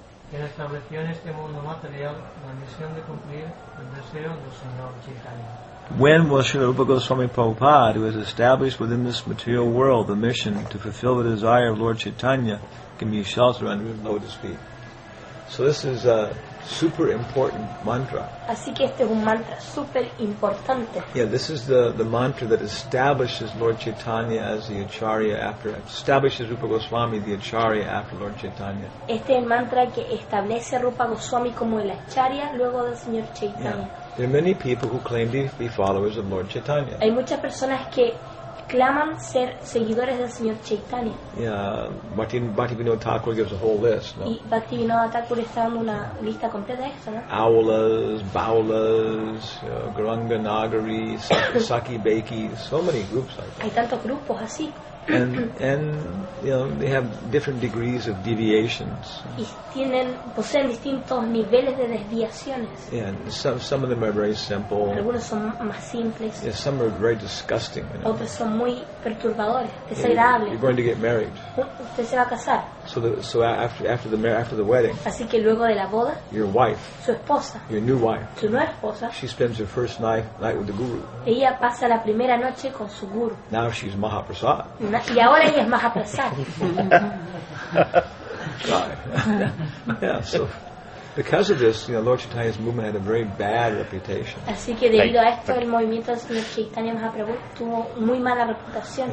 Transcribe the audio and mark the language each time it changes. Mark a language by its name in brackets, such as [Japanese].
[Spanish] Quien estableció en este mundo material la misión de cumplir el deseo del Señor Chaitanya. [English] When will Srila Rupa Goswami Prabhupada, who has established within this material world the mission to fulfill the desire of Lord Chaitanya, can be sheltered under his lotus feet? So this is a super important mantra. [Spanish] Así que este es un mantra super importante. [English] Yeah, this is the mantra that establishes Lord Chaitanya as the acharya after establishes Rupa Goswami the acharya after Lord Chaitanya. [Spanish] Este es el mantra que establece a Rupa Goswami como el acharya luego del señor Chaitanya. [English] Yeah. There are many people who claim to be followers of Lord Chaitanya. [Spanish] Hay muchas personas que claman ser seguidores del señor Chaitanya. [English] Yeah, Bhaktivinoda Thakur gives a whole list. No? [Spanish] Y Bhaktivinoda Thakur está dando una lista completa de esto, ¿no? [English] Aulas, Baulas, Garanga Nagari, Saki Beki, so many groups like that. [Spanish] Hay tantos grupos así. [English] And you know, they have different degrees of deviations. [Spanish] Y tienen, poseen distintos niveles de desviaciones. [English] Yeah, some of them are very simple. [Spanish] Algunos son más simples. [English] Yeah, some are very disgusting. You know. [Spanish] Otros son muy perturbadores, desagradables. [English] You're going to get married. [Spanish] Usted se va a casar. [English] So after the wedding. [Spanish] Así que luego de la boda. [English] Your wife. [Spanish] Su esposa. [English] Your new wife. [Spanish] Su nueva esposa. [English] She spends her first night with the guru. [Spanish] Ella pasa la primera noche con su guru. [English] Now she's Mahaprasad. [Spanish] Y ahora ella es Mahaprasad. [English] Right. Yeah, so because of this, you know, Lord Chaitanya's movement had a very bad reputation. [Spanish] Así que debido a esto, el movimiento del señor Chaitanya Mahaprabhu tuvo muy mala reputación.